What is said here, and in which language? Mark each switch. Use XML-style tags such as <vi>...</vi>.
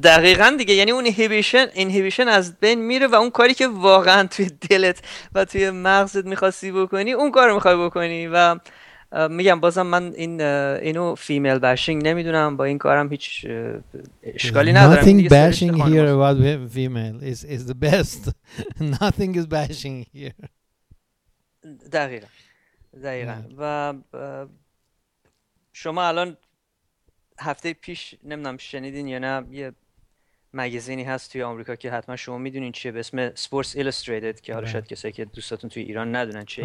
<fa>دقیقا دیگه، یعنی اون inhibition از بین میره و اون کاری که واقعا توی دلت و توی مغزت میخواستی بکنی اون کار رو میخوای بکنی. و میگم بازم من اینو فیمیل بشینگ نمیدونم، با این کارم هیچ اشکالی ندارم.</fa> <en>Nothing bashing here about female is the best. Nothing is bashing here.</en> <fa>دقیقا. و شما الان هفته پیش نمیدونم شنیدین یا نه، یه مگزینی هست توی آمریکا که حتما شما میدونین چیه، به اسم Sports Illustrated، که حالا شاید کسایی که دوستاتون توی ایران ندونن چیه.</fa>